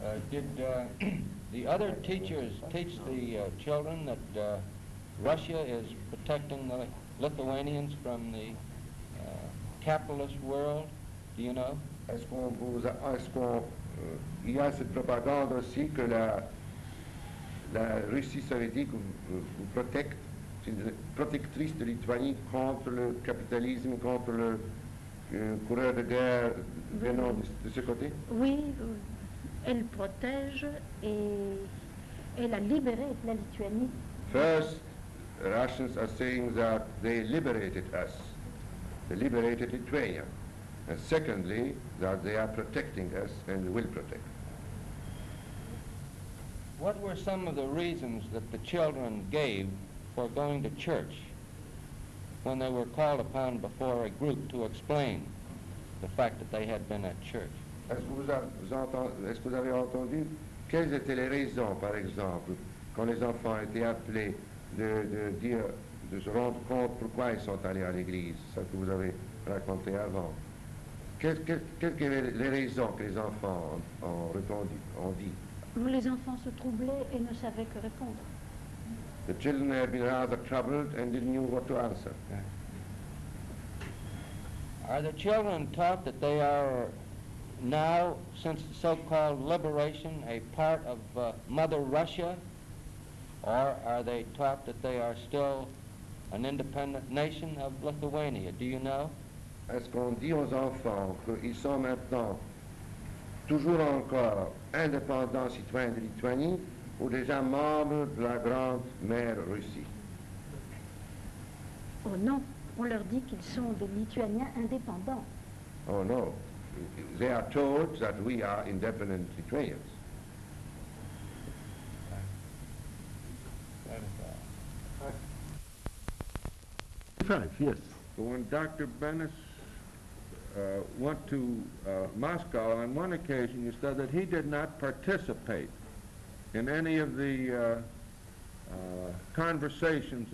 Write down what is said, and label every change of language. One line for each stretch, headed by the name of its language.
English: Did the other teachers teach the children that Russia is protecting the Lithuanians from the capitalist world, do you know?
French: Est-ce qu'on vous a, est-ce qu'on, il y a cette propagande aussi que la Russie soviétique vous protecte, c'est une protectrice de Lituanie contre le capitalisme, contre le coureur de guerre venant de ce côté? Oui, elle protège et elle a libéré la Lituanie.
English: First, the Russians are saying that they liberated us, they liberated Lithuania, and secondly, that they are protecting us and will protect. What were some of the reasons that the children gave for going to church when they were called upon before a group to explain the fact that they had been at church?
French: Est-ce que vous avez entendu quelles étaient les raisons, par exemple, quand les enfants étaient appelés de se rendre compte pourquoi ils sont allés à l'église, ce que vous avez raconté avant. Quelles les raisons que les enfants ont répondu, ont dit? Les enfants se troublaient et ne savaient que répondre.
English: The children had been rather troubled and didn't know what to answer. Are the children taught that they are now, since the so-called liberation, a part of Mother Russia? Or are they taught that they are still an independent nation of Lithuania? Do you know?
French: Est-ce qu'on dit aux enfants qu'ils sont maintenant toujours encore indépendants citoyens de Lituanie ou déjà membres de la grande mère Russie? Oh non, on leur dit qu'ils sont des Lituaniens indépendants.
English: Oh no, they are told that we are independent Lithuanians. Yes. When Dr. Benes went to Moscow on one occasion, you said that he did not participate in any of the conversations